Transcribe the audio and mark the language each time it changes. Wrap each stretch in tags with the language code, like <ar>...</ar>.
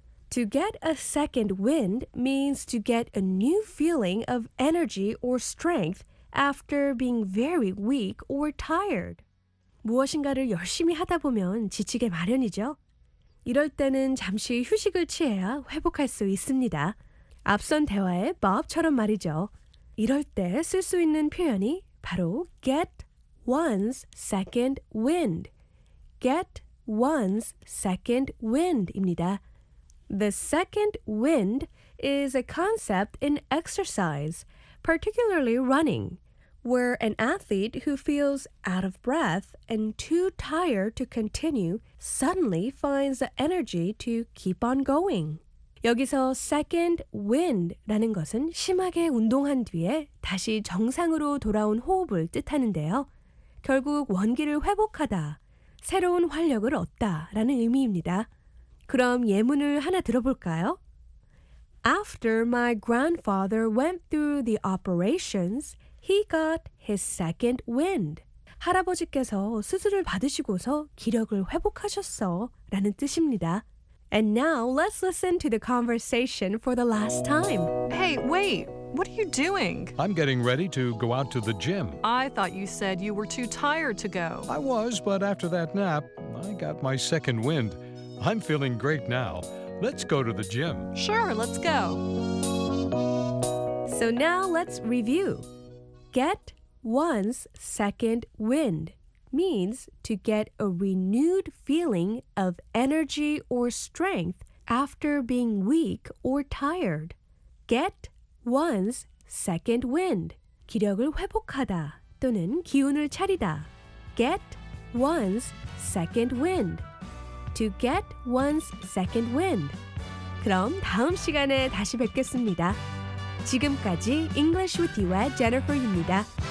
<en>To get a second wind means to get a new feeling of energy or strength after being very weak or tired.</en> <ko>무엇인가를 열심히 하다 보면 지치게 마련이죠. 이럴 때는 잠시 휴식을 취해야 회복할 수 있습니다. 앞선 대화에 Bob처럼 말이죠. 이럴 때 쓸 수 있는 표현이 바로</ko> <en>get one's second wind. Get one's second wind입니다. The second wind is a concept in exercise, particularly running, where an athlete who feels out of breath and too tired to continue suddenly finds the energy to keep on going.</en> <ko>여기서 second wind라는 것은 심하게 운동한 뒤에 다시 정상으로 돌아온 호흡을 뜻하는데요. 결국 원기를 회복하다, 새로운 활력을 얻다라는 의미입니다. 그럼 예문을 하나 들어볼까요?</ko> <en>After my grandfather went through the operations, he got his second wind.</en> <ko>할아버지께서 수술을 받으시고서 기력을 회복하셨어라는 뜻입니다.</ko> <en>And now, let's listen to the conversation for the last time. Hey, wait! What are you doing? I'm getting ready to go out to the gym. I thought you said you were too tired to go. I was, but after that nap, I got my second wind. I'm feeling great now. Let's go to the gym. Sure, let's go. So now, let's review. Get one's second wind means to get a renewed feeling of energy or strength after being weak or tired. Get one's second wind.</en> <ko>기력을 회복하다 또는 기운을 차리다.</ko> <en>Get one's second wind. To get one's second wind.</en> <ko>그럼 다음 시간에 다시 뵙겠습니다. 지금까지 English with you 의 Jennifer입니다.</ko>